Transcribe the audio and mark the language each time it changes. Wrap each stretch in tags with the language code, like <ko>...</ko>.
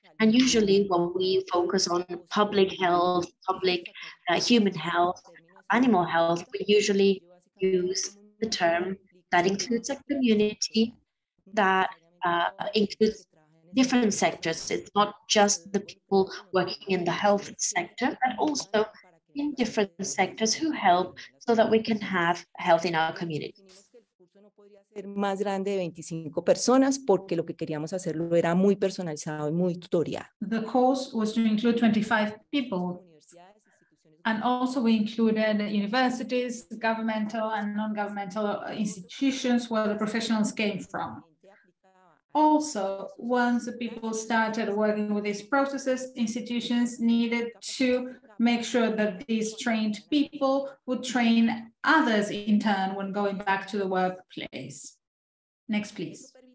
<en>And usually when we focus on public health, public human health, animal health, we usually use the term that includes a community that includes different sectors. It's not just the people working in the health sector, but also in different sectors who help so that we can have health in our community.</en> <es>Más grande de 25 personas porque lo que queríamos hacerlo era muy personalizado y muy tutorial.</es> <en>The course was to include 25 people, and also we included universities, governmental and non-governmental institutions where the professionals came from. Also, once the people started working with these processes, institutions needed to make sure that these trained people would train others in turn when going back to the workplace. Next, please.</en>